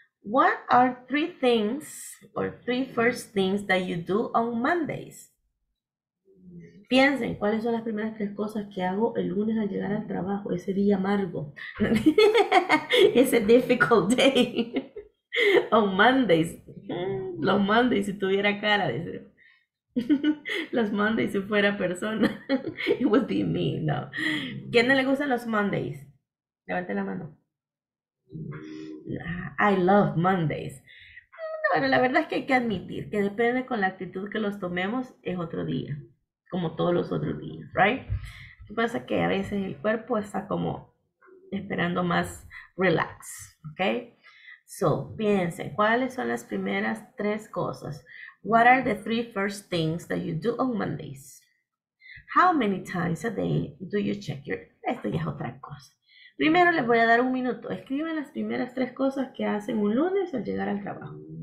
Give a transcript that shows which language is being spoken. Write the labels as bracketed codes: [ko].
[en] What are three things or three first things that you do on Mondays? [es] Piensen, ¿cuáles son las primeras tres cosas que hago el lunes al llegar al trabajo? Ese día amargo. [en] It's a difficult day. On Mondays. [es] Los Mondays, si tuviera cara, dice. Los Mondays, si fuera persona. [en] It would be me, [es] no. ¿Quién no le gustan los Mondays? Levante la mano. [en] I love Mondays. [es] Bueno, la verdad es que hay que admitir que depende con la actitud que los tomemos, es otro día. Como todos los otros días, right? Lo que pasa es que a veces el cuerpo está como esperando más relax, ok? So, piensen, ¿cuáles son las primeras tres cosas? [en] What are the three first things that you do on Mondays? How many times a day do you check your... [es] Esto ya es otra cosa. Primero les voy a dar un minuto. Escriben las primeras tres cosas que hacen un lunes al llegar al trabajo.